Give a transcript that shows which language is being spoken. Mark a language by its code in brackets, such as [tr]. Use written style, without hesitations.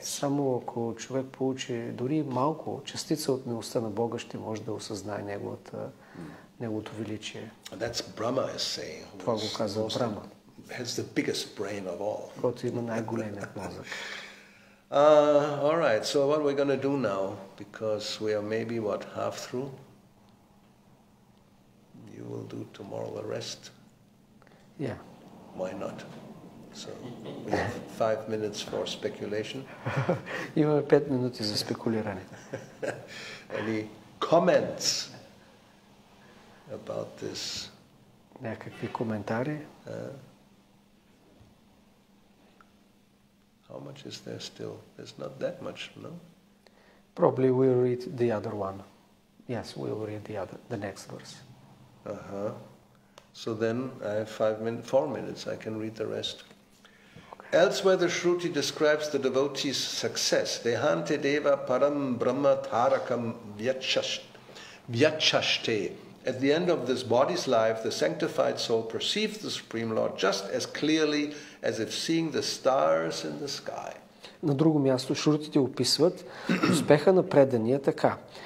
[bg] Само ако човек получи дори малко частица от милостта на Бога, ще може да осъзнае неговото величие. [en] And that's Brahma is saying. [bg] Това го казва Брама. [en] Has the biggest brain of all. [bg] Който има най-големият мозък. [en] All right, so what we're going to do now, because we are maybe, what, half through? You will do tomorrow the rest? Yeah. Why not? So we have 5 minutes for speculation. You have 5 minutes for speculation. Any comments about this? [bg] Някакви коментари? [en] How much is there still? There's not that much, no? Probably we'll read the other one. Yes, we'll read the next verse. Uh-huh. So then I have 4 minutes. I can read the rest. Okay. Elsewhere the Shruti describes the devotee's success. [sa] Dehante deva param brahma tharakam vyachashte. [en] At the end of this body's life, the sanctified soul perceives the Supreme Lord just as clearly as if seeing the stars in the sky. [bg] На друго място шрутите описват успеха на предания така.